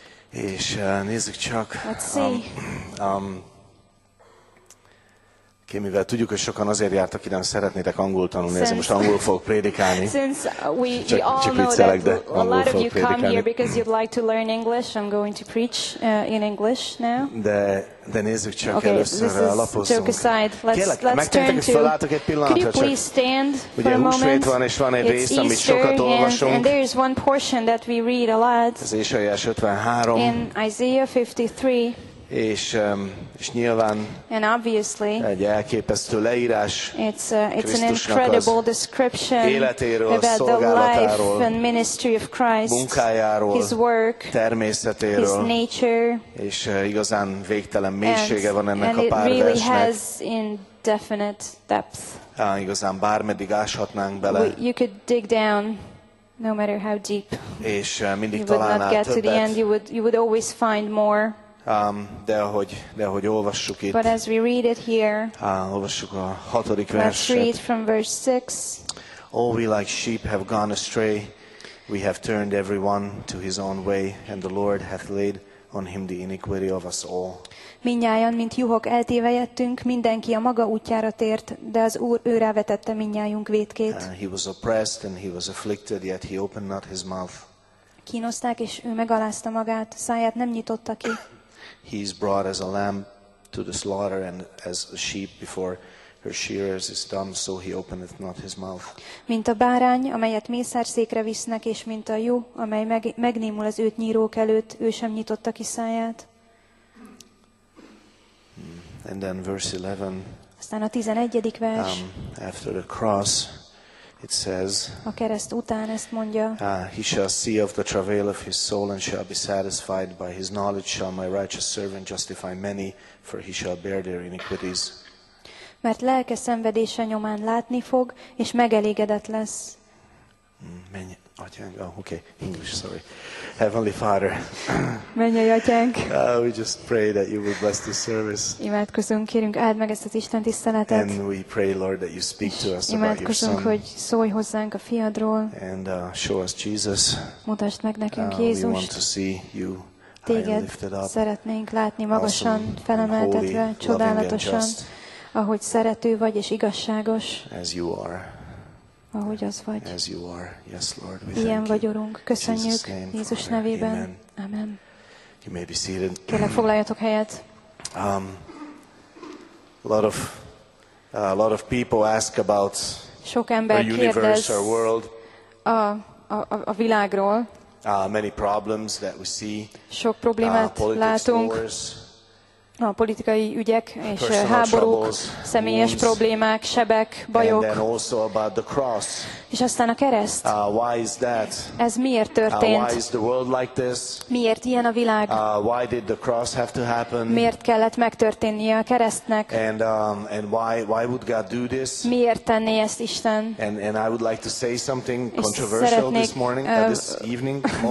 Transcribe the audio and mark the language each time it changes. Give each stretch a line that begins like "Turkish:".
Hungarian: És nézzük csak. Mivel tudjuk, hogy sokan azért jártak ide, szeretnétek angol tanulni, ezért most angol fogok prédikálni. Csak viccelek, de angol fogok prédikálni.
English: Because you'd like to learn English, I'm going to preach in English now.
Hungarian: De nézzük csak, okay, először a lapozzunk. Kérlek, megtértek, hogy felálltok egy pillanatra csak.
English: Could you please stand for
Hungarian: ugye
English: a moment?
Hungarian: Húsvét van, és van egy
English: it's
Hungarian: rész, amit sokat olvasunk.
English: And there is one portion that we read a lot.
Hungarian: Ez Ésaiás 53.
English: In Isaiah 53.
Hungarian: És nyilván
English: and obviously,
Hungarian: egy elképesztő leírás Krisztusnak az életéről, szolgálatáról,
English: Christ,
Hungarian: munkájáról,
English: his work,
Hungarian: természetéről,
English: his nature,
Hungarian: és igazán végtelen mélysége
English: and,
Hungarian: van ennek
English: and
Hungarian: a pár
English: really
Hungarian: versnek.
English: Depth.
Hungarian: Igazán bármeddig áshatnánk bele.
English: You could dig down. No matter how deep.
Hungarian: És mindig
English: you would not get to the end. You would always find more.
Hungarian: De ahogy olvassuk itt.
English: But as we read it here.
Hungarian: Olvassuk a hatodik verset.
English: Let's read from verse 6. All we like sheep have gone astray. We have turned everyone to his own way, and the Lord hath laid on him the iniquity of us all.
Hungarian: Mindnyájan, mint juhok eltévejettünk, mindenki a maga útjára tért, de az Úr őre vetette mindnyájunk vétkét.
English: He was oppressed and he was afflicted, yet he opened not his mouth.
Hungarian: Kínozták, és ő megalázta magát, száját nem nyitotta ki.
English: He is brought as a lamb to the slaughter, and as a sheep before her shearers is dumb, so he openeth not his mouth.
Hungarian: Mint a bárány, amelyet mészárszékre visznek, és mint a juh, amely megnémul az őt nyírók előtt, ő sem nyitotta ki száját.
English: And then verse 11.
Hungarian: Aztán a 11. vers.
English: After the cross, it says.
Hungarian: A kereszt után ezt mondja.
English: He shall see of the travail of his soul and shall be satisfied. By his knowledge shall my righteous servant justify many, for he shall bear their iniquities.
Hungarian: Mert lelke szenvedése nyomán látni fog, és megelégedett lesz. Menj, atyánk.
English: Oh, okay, English, sorry. Heavenly Father.
Hungarian: Mennyei atyánk.
English: We just pray that you will bless this service.
Hungarian: Imádkozunk, kérünk, áld meg ezt az Isten tiszteletet.
English: And we pray, Lord, that you speak to us about your Son.
Hungarian: Hogy szólj hozzánk a fiadról.
English: And show us Jesus.
Hungarian: Mutasd meg nekünk Jézust.
English: We want to see you.
Hungarian: Téged szeretnénk látni magasan,
English: awesome,
Hungarian: felemeltetve,
English: holy,
Hungarian: csodálatosan, ahogy szerető vagy és igazságos.
English: As you are.
Hungarian: Ahogy az vagy.
English: As you are. Yes, Lord, we
Hungarian: ilyen
English: thank
Hungarian: vagy, Urunk. Köszönjük Jézus nevében.
English: Amen. You may be seated.
Hungarian: Kérlek, foglaljatok helyet.
English: A lot of people ask about
Hungarian: sok ember
English: our universe, our world.
Hungarian: A világról.
English: Many problems that we see.
Hungarian: Sok problémát látunk.
English: Politics wars.
Hungarian: A politikai ügyek és háborúk, személyes problémák, sebek, bajok.
English: And then also about the cross.
Hungarian: És aztán a kereszt.
English: Why is that?
Hungarian: Ez miért történt?
English: Why is the world like this?
Hungarian: Miért ilyen a világ?
English: Why did the cross have to happen?
Hungarian: Miért kellett megtörténnie a keresztnek?
English: And why would God do this?
Hungarian: Miért tenné ezt Isten?
English: And I would like to say something controversial this morning, this evening.